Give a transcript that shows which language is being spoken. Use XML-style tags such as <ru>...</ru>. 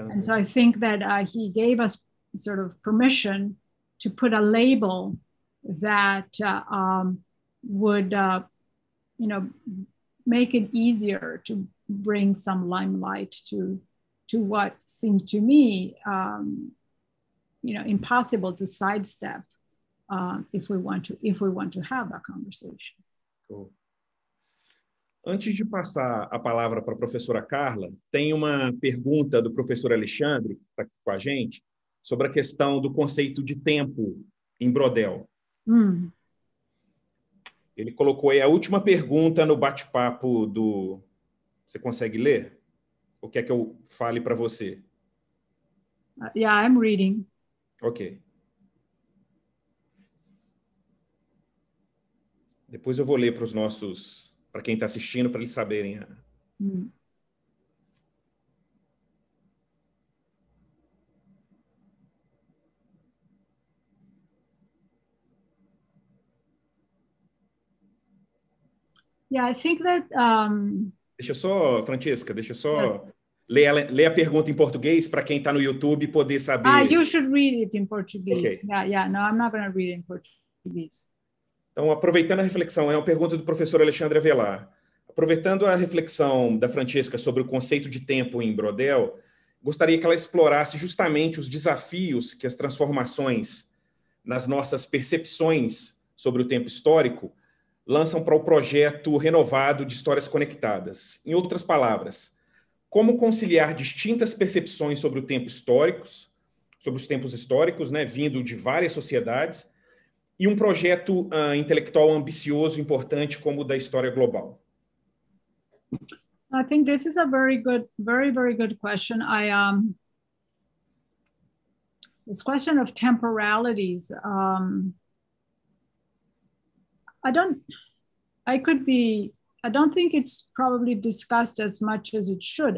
<en>And so I think that he gave us sort of permission to put a label that would, you know, make it easier to bring some limelight to what seemed to me, you know, impossible to sidestep if we want to have that conversation. Cool.</en> <pt>Antes de passar a palavra para a professora Carla, tem uma pergunta do professor Alexandre, que está aqui com a gente, sobre a questão do conceito de tempo em Brodel. Ele colocou aí a última pergunta no bate-papo do... Você consegue ler? O que é que eu fale para você?</pt> <en>Yeah, I'm reading. Ok.</en> <pt>Depois eu vou ler para os nossos... Para quem está assistindo, para eles saberem.</pt> <en>Yeah, I think that...</en> <pt>Deixa só, Francesca, deixa só ler a pergunta em português para quem está no YouTube poder saber.</pt> <en>Ah, you should read it in Portuguese. Okay. Yeah, yeah, no, I'm not going to read it in Portuguese.</en> <pt>Então, aproveitando a reflexão, é uma pergunta do professor Alexandre Avelar. Aproveitando a reflexão da Francesca sobre o conceito de tempo em Brodel, gostaria que ela explorasse justamente os desafios que as transformações nas nossas percepções sobre o tempo histórico lançam para o projeto renovado de Histórias Conectadas. Em outras palavras, como conciliar distintas percepções sobre o tempo histórico, sobre os tempos históricos, né, vindo de várias sociedades, e um projeto intelectual ambicioso, importante, como o da História Global?</pt> <en>I think this is a very good, very, very good question. This question of temporalities, I don't think it's probably discussed as much as it should.</en>